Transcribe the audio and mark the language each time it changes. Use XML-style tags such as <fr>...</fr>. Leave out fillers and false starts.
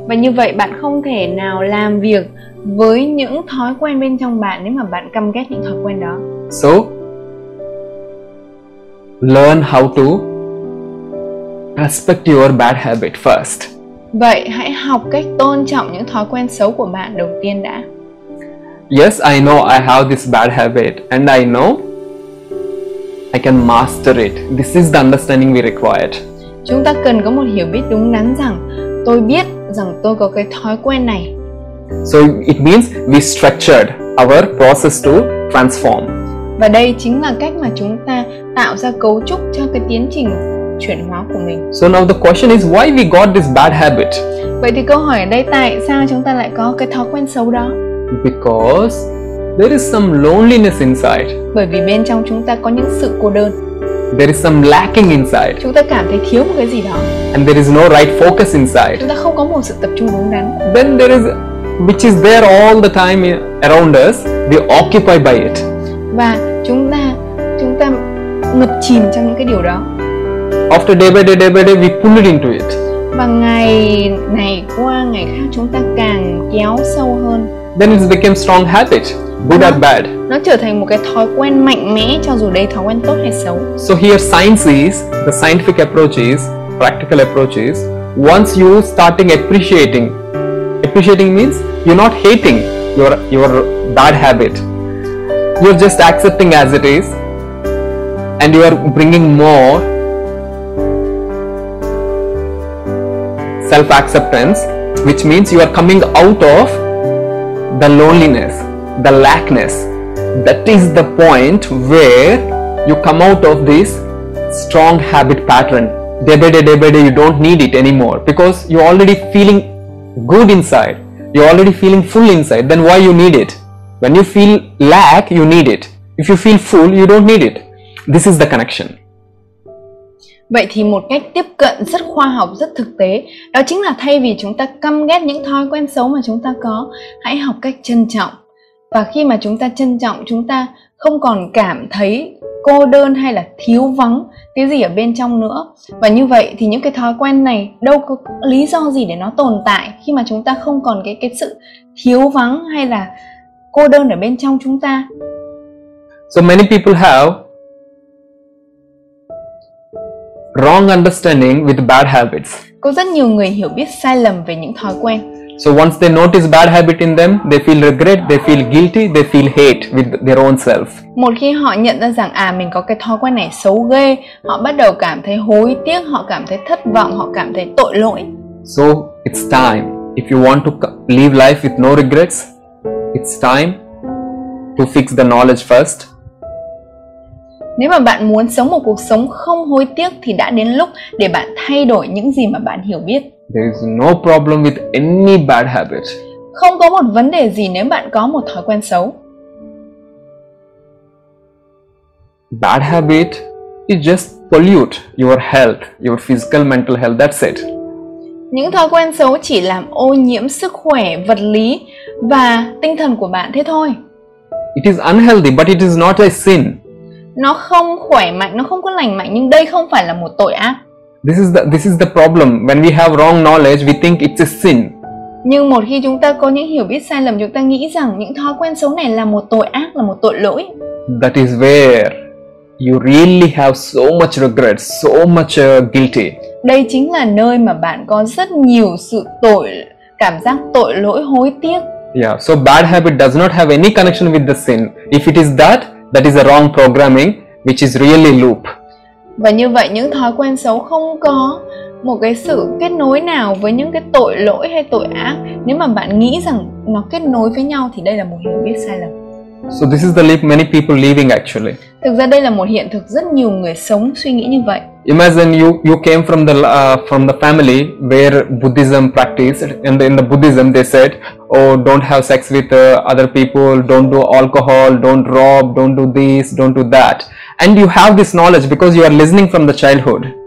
<vi>Và như vậy bạn không thể nào làm việc với những thói quen bên trong bạn nếu mà bạn căm ghét những thói quen đó.</vi> <en>So learn how to respect your bad habit first.</en> <vi>Vậy hãy học cách tôn trọng những thói quen xấu của bạn đầu tiên đã.</vi> <en>Yes, I know I have this bad habit and I know I can master it. This is the understanding we required.</en> <vi>Chúng ta cần có một hiểu biết đúng đắn rằng tôi biết rằng tôi có cái thói quen này.</vi> <en>So it means we structured our process to transform.</en> <vi>Và đây chính là cách mà chúng ta tạo ra cấu trúc cho cái tiến trình chuyển hóa của mình.</vi> <en>So now the question is why we got this bad habit?</en> <vi>Vậy thì câu hỏi ở đây tại sao chúng ta lại có cái thói quen xấu đó?</vi> <en>Because there is some loneliness inside.</en> <vi>Bởi vì bên trong chúng ta có những sự cô đơn.</vi> <en>There is some lacking inside.</en> <vi>Chúng ta cảm thấy thiếu một cái gì đó.</vi> <en>And there is no right focus inside.</en> <vi>Chúng ta không có một sự tập trung đúng đắn.</vi> <en>Then there is which is there all the time around us, we occupy by it.</en> <vi>Và chúng ta ngập chìm trong những cái điều đó.</vi> <en>After day by day, we pull it into it.</en> <vi>Và ngày này qua ngày khác, chúng ta càng kéo sâu hơn.</vi> <en>Then it became strong habit, good or bad.</en> <vi>Nó trở thành một cái thói quen mạnh mẽ, cho dù đây thói quen tốt hay xấu.</vi> <en>So here science is, the scientific approach is, practical approach is, once you starting appreciating means you're not hating your bad habit. You're just accepting as it is and you are bringing more self-acceptance, which means you are coming out of the loneliness, the lackness. That is the point where you come out of this strong habit pattern. Day by day, you don't need it anymore because you're already feeling good inside. You're already feeling full inside. Then why you need it? When you feel lack, you need it. If you feel full, you don't need it. This is the connection.</en> <vi>Vậy thì một cách tiếp cận rất khoa học, rất thực tế, đó chính là thay vì chúng ta căm ghét những thói quen xấu mà chúng ta có, hãy học cách trân trọng. Và khi mà chúng ta trân trọng, chúng ta không còn cảm thấy cô đơn hay là thiếu vắng cái gì ở bên trong nữa. Và như vậy thì những cái thói quen này đâu có lý do gì để nó tồn tại khi mà chúng ta không còn cái sự thiếu vắng hay là cô đơn ở bên trong chúng ta.</vi> <en>So many people have wrong understanding with bad habits.</en> <vi>Có rất nhiều người hiểu biết sai lầm về những thói quen.</vi> <en>So once they notice bad habit in them, they feel regret, they feel guilty, they feel hate with their own self.</en> <vi>Một khi họ nhận ra rằng à mình có cái thói quen này xấu ghê, họ bắt đầu cảm thấy hối tiếc, họ cảm thấy thất vọng, họ cảm thấy tội lỗi.</vi> <en>So it's time, if you want to live life with no regrets, it's time to fix the knowledge first.</en> <vi>Nếu mà bạn muốn sống một cuộc sống không hối tiếc thì đã đến lúc để bạn thay đổi những gì mà bạn hiểu biết.</vi> <en>There is no problem with any bad habit.</en> <vi>Không có một vấn đề gì nếu bạn có một thói quen xấu.</vi> <en>Bad habit is just pollute your health, your physical, mental health, that's it.</en> <vi>Những thói quen xấu chỉ làm ô nhiễm sức khỏe, vật lý và tinh thần của bạn thế thôi.</vi> <en>It is unhealthy but it is not a sin.</en> <vi>Nó không khỏe mạnh, nó không có lành mạnh, nhưng đây không phải là một tội ác.</vi> <en>This is the problem. When we have wrong knowledge, we think it's a sin.</en> <vi>Nhưng một khi chúng ta có những hiểu biết sai lầm, chúng ta nghĩ rằng những thói quen xấu này là một tội ác, là một tội lỗi.</vi> <en>That is where you really have so much regret, so much guilty.</en> <vi>Đây chính là nơi mà bạn có rất nhiều sự tội, cảm giác tội lỗi, hối tiếc.</vi> <en>Yeah, so bad habit does not have any connection with the sin. If it is that, that is a wrong programming, which is really loop.</en> <vi>Và như vậy những thói quen xấu không có một cái sự kết nối nào với những cái tội lỗi hay tội ác. Nếu mà bạn nghĩ rằng nó kết nối với nhau thì đây là một hiểu biết sai lầm.</vi> <en>So this is the leap many people living actually.</en> <vi>Thực ra đây là một hiện thực rất nhiều người sống suy nghĩ như vậy.</vi> <en>Imagine you came from the family where Buddhism practiced, and in the Buddhism they said, oh, don't have sex with other people, don't do alcohol, don't rob, don't do this, don't do that. And you have this knowledge because you are listening from the childhood.</en>